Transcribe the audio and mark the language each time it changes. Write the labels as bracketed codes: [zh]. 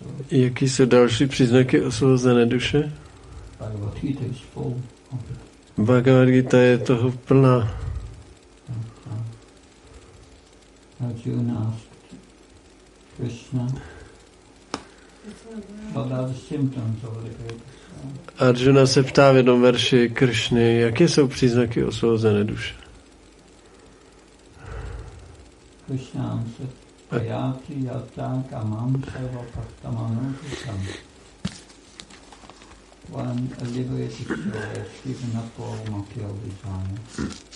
[cs] Jaký jsou další příznaky osvobozené duše? [en] Bhagavad Gita is full. [cs] Bhagavad Gita je toho plná. [en] Arjuna asked Krishna about the symptoms of the great soul. [cs] Arjuna se ptá v jednom verši Krishny, jaké jsou příznaky osvobozené duše? [en] Krishna answered, [sa] Prayati yata kamam seva paktamanu kusam. [en] One a liberated soul has given up all material desires.